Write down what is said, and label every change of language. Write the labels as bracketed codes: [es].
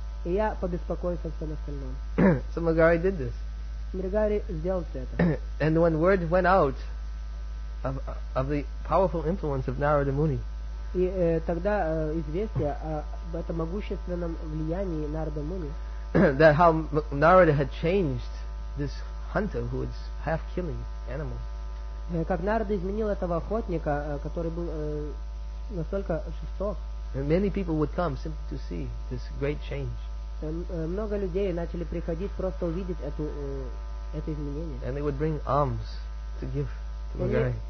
[ru] И я побеспокоюсь о всем остальном. [en] So Мригари did this. [ru] Мригари сделал все это. [en] And when word went out of the powerful influence of Narada Muni, [ru] и тогда известие об этом могущественном влиянии Нарада Муни, [en] that how Narada had changed this hunter who was half killing animals, [ru] как Нарада изменил этого охотника, который был настолько жесток. [en] And many people would come simply to see this great change. [ru] Много людей начали приходить просто увидеть это изменение. [en] And they would bring alms to give to Мригари.